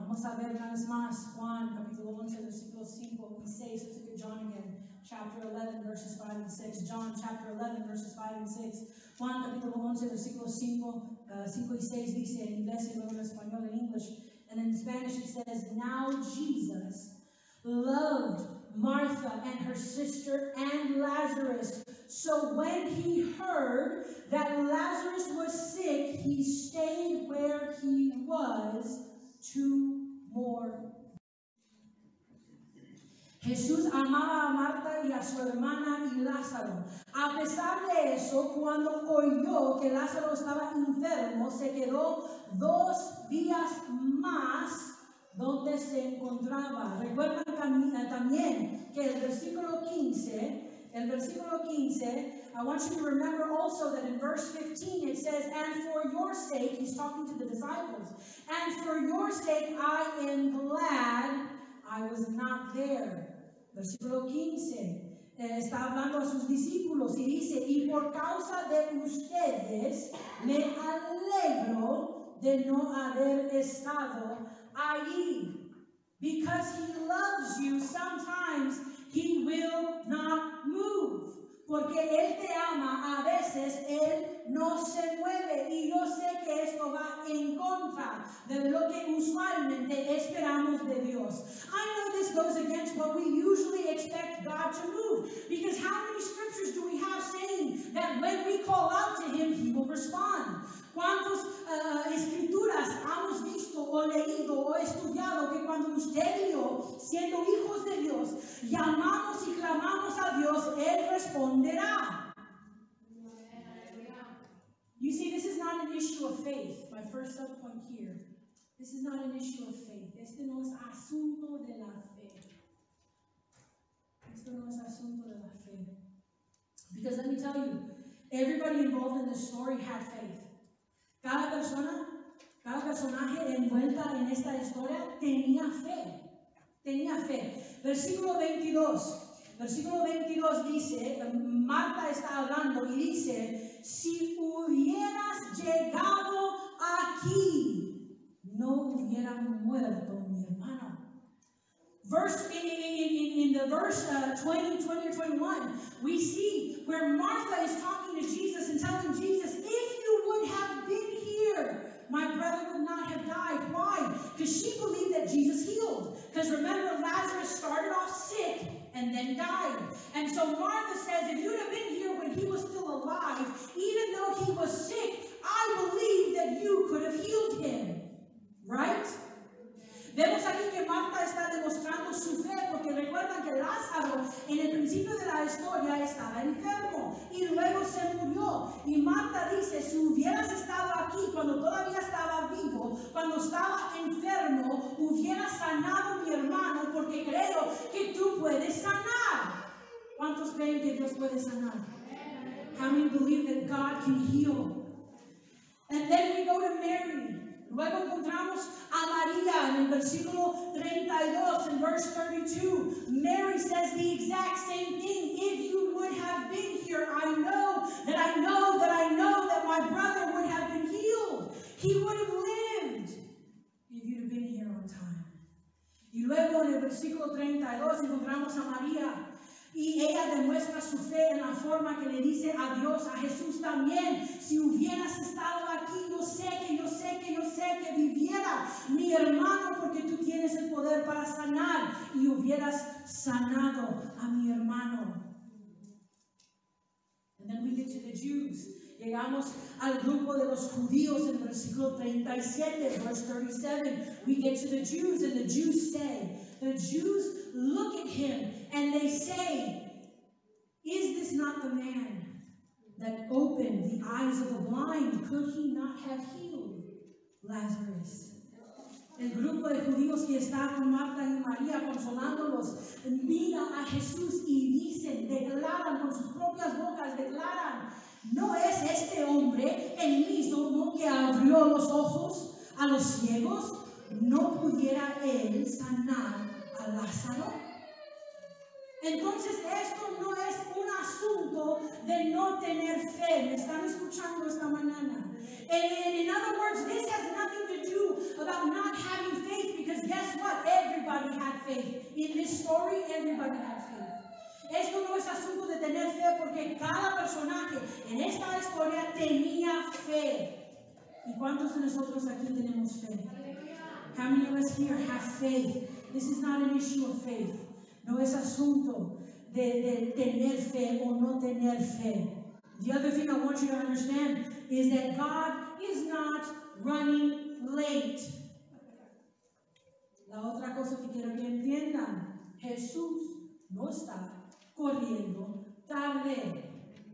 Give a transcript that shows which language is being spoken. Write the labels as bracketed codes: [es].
[es] Vamos a ver una vez más, Juan, capítulo 11, versículo 5, [en] we say, so to John again, chapter 11, verses 5 and 6, John, chapter 11, verses 5 and 6, [es] Juan, capítulo 11, versículo 5, 5 y 6, dice, en inglés, en español, [en] en English, and in Spanish, it says, now Jesus loved Martha and her sister and Lazarus. So when he heard that Lazarus was sick, he stayed where he was 2 more days. [es] Jesús amaba a Martha y a su hermana y Lázaro. A pesar de eso, cuando oyó que Lázaro estaba enfermo, se quedó 2 días más donde se encontraba. Recuerda también que el versículo 15, El versículo 15, [en] I want you to remember also that in verse 15 it says, and for your sake, he's talking to the disciples, and for your sake I am glad I was not there. [es] Versículo 15, está hablando a sus discípulos y dice, y por causa de ustedes me alegro de no haber estado allí. [en] Because he loves you, sometimes he will not move. [es] Porque él te ama, a veces él no se mueve. Y yo sé que esto va en contra de lo que usualmente esperamos de Dios. [en] I know this goes against what we usually expect God to move. Because how many scriptures do we have saying that when we call out to him, he will respond? [es] ¿Cuántas escrituras hemos visto o leído o estudiado que cuando usted y yo, siendo hijos de Dios, llamamos y clamamos a Dios, Él responderá? [en] You see, this is not an issue of faith. My first sub-point here. This is not an issue of faith. [es] Este no es asunto de la fe. Esto no es asunto de la fe. [en] Because let me tell you, everybody involved in this story had faith. [es] Cada persona, cada personaje envuelta en esta historia tenía fe. Tenía fe. Versículo 22. Versículo 22 dice, Marta está hablando y dice, si hubieras llegado aquí, no hubiera muerto mi hermano. [en] In the verse 20 or 21, we see where Martha is talking to Jesus and telling Jesus, if you would have been here, my brother would not have died. Why? Because she believed that Jesus healed. Because remember, Lazarus started off sick and then died. And so Martha says, if you'd have been here when he was still alive, even though he was sick, I believe that you could have healed him. Right? [es] Vemos aquí que Marta está demostrando su fe, porque recuerdan que Lázaro en el principio de la historia estaba enfermo y luego se murió. Y Marta dice, si hubieras estado aquí cuando todavía estaba vivo, cuando estaba enfermo, hubieras sanado a mi hermano, porque creo que tú puedes sanar. ¿Cuántos creen que Dios puede sanar? [en] How many believe that God can heal? And then we go to Mary. [es] Luego encontramos a María en el versículo 32, en [en] verse 32. Mary says the exact same thing. If you would have been here, I know that I know that I know that my brother would have been healed. He would have lived if you'd have been here on time. [es] Y luego en el versículo 32 encontramos a María. Y ella demuestra su fe en la forma que le dice a Dios, a Jesús también. Si hubieras estado aquí, yo sé que, yo sé que, yo sé que viviera mi hermano, porque tú tienes el poder para sanar. Y hubieras sanado a mi hermano. [en] And then we get to the Jews. [es] Llegamos al grupo de los judíos en versículo 37, [en] verse 37. We get to the Jews, and the Jews say, the Jews look at him and they say, is this not the man that opened the eyes of the blind? Could he not have healed Lazarus? [es] El grupo de judíos que está con Marta y María consolándolos mira a Jesús y dicen, declaran con sus propias bocas, declaran, ¿no es este hombre el mismo que abrió los ojos a los ciegos? ¿No pudiera él sanar a Lázaro? Entonces esto no es un asunto de no tener fe. ¿Me están escuchando esta mañana? [en] In other words, this has nothing to do about not having faith, because guess what? Everybody had faith. In this story, everybody had faith. [es] Esto no es asunto de tener fe, porque cada personaje en esta historia tenía fe. ¿Y cuántos de nosotros aquí tenemos fe? [en] How many of us here have faith? This is not an issue of faith. [es] No es asunto de tener fe o no tener fe. [en] The other thing I want you to understand is that God is not running late. [es] La otra cosa que quiero que entiendan, Jesús no está corriendo tarde.